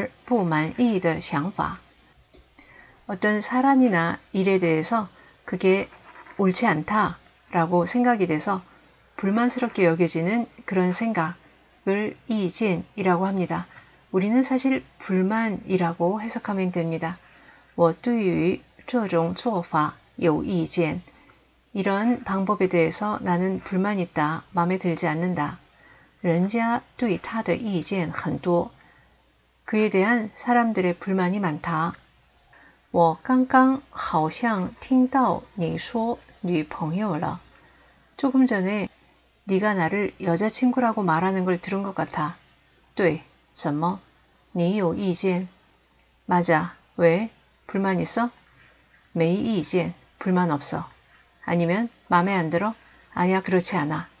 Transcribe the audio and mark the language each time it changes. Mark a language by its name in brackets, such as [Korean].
[Chinese] 对人对事认为不对因而不满意的想法. [Korean] 어떤 사람이나 일에 대해서 그게 옳지 않다라고 생각이 돼서 불만스럽게 여겨지는 그런 생각. 을 이진이라고 합니다. 우리는 사실 불만이라고 해석하면 됩니다. [Chinese] 我对于这种做法有意见. [Korean] 이런 방법에 대해서 나는 불만 있다. 마음에 들지 않는다. [Chinese] 人家对他的意见很多. [Korean] 그에 대한 사람들의 불만이 많다. [Chinese] 我刚刚好像听到你说女朋友了. [Korean] 조금 전에 네가 나를 여자친구라고 말하는 걸 들은 것 같아. [Chinese] 对, 怎么?你有意见? [Korean] 맞아, 왜? 불만 있어? [Chinese] 没意见, [Korean] 불만 없어. 아니면 마음에 안 들어? 아니야, 그렇지 않아.